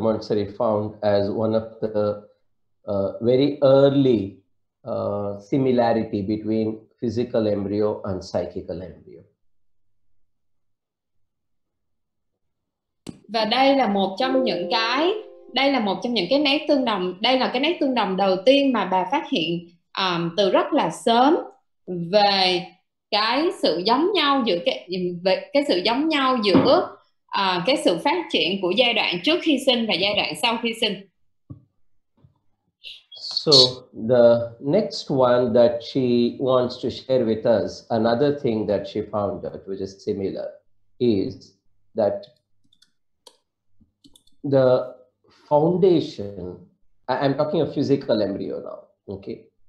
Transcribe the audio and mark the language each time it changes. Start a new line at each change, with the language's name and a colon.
English: Montessori found as one of the very early similarity between physical embryo and psychical embryo.
Vietnamese: Và đây là một trong những cái nét tương đồng, đây là cái nét tương đồng đầu tiên mà bà phát hiện từ rất là sớm về cái sự giống nhau giữa cái sự giống nhau giữa cái sự phát triển của giai đoạn trước khi sinh và giai đoạn sau khi sinh.
English: So the next one that she wants to share with us, another thing that she found out, which is similar, is that the foundation, I'm talking of physical embryo now, okay?